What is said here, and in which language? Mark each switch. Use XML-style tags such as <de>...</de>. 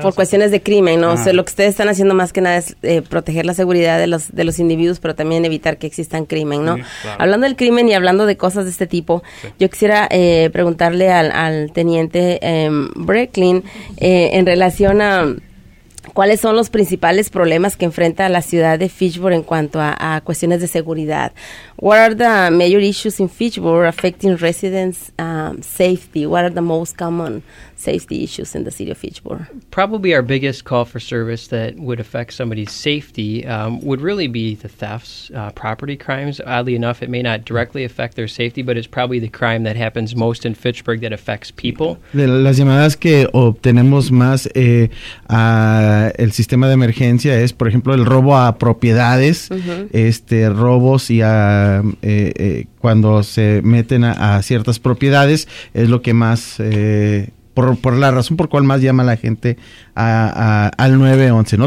<es>Por cuestiones de crimen, ¿no? Ah. O sea, lo que ustedes están haciendo más que nada es proteger la seguridad de los individuos, pero también evitar que existan crimen, ¿no? Sí, claro. Hablando del crimen y hablando de cosas de este tipo, sí. Yo quisiera preguntarle al teniente Brecklin en relación a cuáles son los principales problemas que enfrenta la ciudad de Fitchburg en cuanto a cuestiones de seguridad.</es> <en>What are the major issues in Fitchburg affecting residents' safety? What are the most common safety issues in the city of Fitchburg? Probably our biggest call for service that would affect somebody's safety would really be the thefts, property crimes. Oddly enough, it may not directly affect their safety, but it's probably the crime that happens most in Fitchburg that affects people.</en> <es>De las llamadas que obtenemos más a el sistema de emergencia es, por ejemplo, el robo a propiedades, robos y a cuando se meten a ciertas propiedades es lo que más por la razón por cual más llama la gente al 911.</es>